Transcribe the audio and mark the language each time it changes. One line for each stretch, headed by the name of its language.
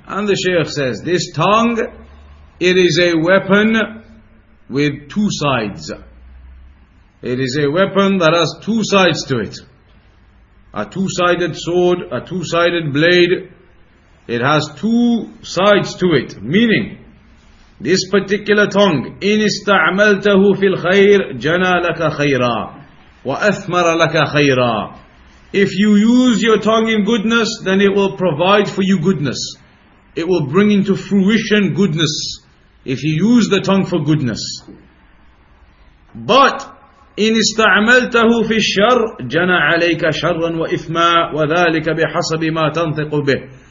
English: And the Shaykh says, this tongue, it is a weapon with two sides. It is a weapon that has two sides to it. A two-sided sword, a two-sided blade, it has two sides to it. Meaning, this particular tongue,
Arabic: إِنْ اسْتَعْمَلْتَهُ فِي الْخَيْرِ جَنَى لَكَ خَيْرًا وَأَثْمَرَ لَكَ خَيْرًا.
English: If you use your tongue in goodness, then it will provide for you goodness. It will bring into fruition goodness, if you use the tongue for goodness. But
Arabic: إِنْ اسْتَعْمَلْتَهُ فِي الشَّرِّ جَنَى عَلَيْكَ شَرًّا وَإِثْمًا وَذَلِكَ بِحَسَبِ مَا تَنْطِقُ بِهِ.